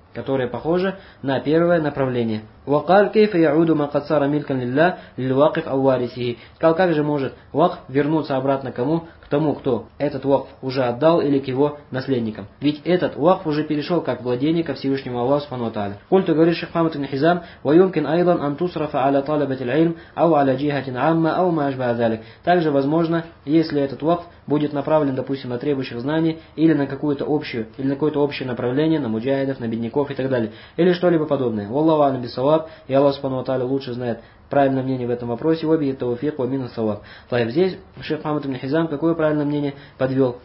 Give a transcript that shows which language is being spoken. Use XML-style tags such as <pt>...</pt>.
<ru>Которое похоже на первое направление.</ru> <ar>وَقَالْ كَيْفَ يَعُودُ مَا قَصَّرَ مِلْكًا لِلَّهِ لِلْوَاقِفْ أَوْ وَارِثِهِ.</ar> <ru>Сказал, как же может вакф вернуться обратно кому? К тому, кто этот вакф уже отдал, или к его наследникам. Ведь этот вакф уже перешел как владение ко Всевышнему Аллаху Субхану ва Тааля.</ru> <ar>قُلْتُ</ar> <ru>говорит шейх Мухаммад ибн Хизам</ru> <ar>وَيُمْكِنْ أَيْضًا أَنْ تُصْرَفَ عَلَى طَالِبَةِ الْعِلْمِ أَوْ عَلَى جِهَةٍ عَامَّةٍ أَوْ مَا أَشْبَهَ ذَلِكَ.</ar> <ru>Также возможно, если этот вакф будет направлен, допустим, на требующих знаний или на какую-то общую, или на какое-то общее направление, на муджаидов, на бедняков и так далее, или что-либо подобное.</ru> <ar>وَاللَّهُ أَعْلَمُ بِالصَّوَابِ.</ar> <ru>И Аллах Субхану ва Тааля лучше знает правильное мнение в этом вопросе.</ru> <ar>Оби тауфик ва мина саваб.</ar> <ru>Тайб, здесь шейх Мухаммад ибн Хизам какое правильное мнение подвел?</ru>